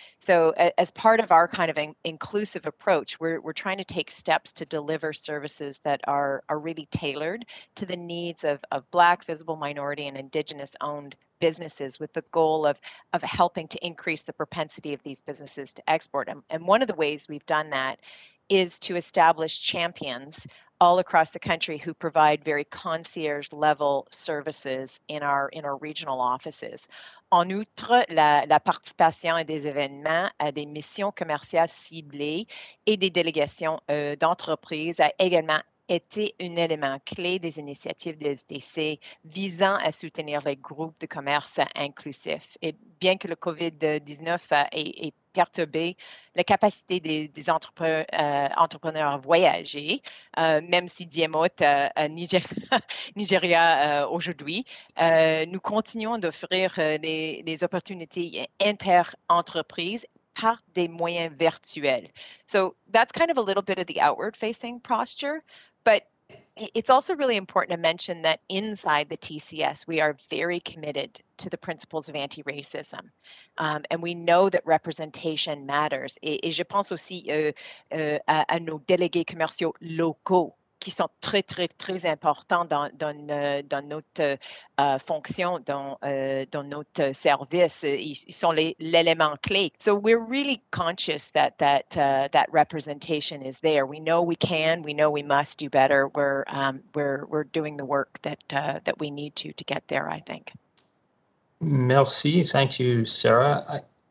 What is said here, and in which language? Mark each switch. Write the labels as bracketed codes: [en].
[en] So as part of our kind of inclusive approach, we're trying to take steps to deliver services that are really tailored to the needs of Black, visible minority, and Indigenous-owned businesses, with the goal of helping to increase the propensity of these businesses to export. And one of the ways we've done that is to establish champions all across the country who provide very concierge level services in our regional offices. [fr] En outre, la participation à des événements, à des missions commerciales ciblées et des délégations d'entreprises a également été un élément clé des initiatives des SDC visant à soutenir les groupes de commerce inclusifs. Et bien que le COVID-19 ait perturbé la capacité des entrepreneurs à voyager, même si Diemot est à Nigeria aujourd'hui, nous continuons d'offrir les opportunités inter-entreprises par des moyens virtuels. [en] So that's kind of a little bit of the outward-facing posture. But it's also really important to mention that inside the TCS, we are very committed to the principles of anti-racism. And we know that representation matters. [fr] Et je pense aussi à nos délégués commerciaux locaux qui sont très, très, très importants dans notre fonction, dans notre service. Ils sont l'élément clé. [en] So we're really conscious that representation is there. We know we can, we know we must do better. We're doing the work that we need to get there, I think. [fr] Merci. [en] Thank you, Sarah.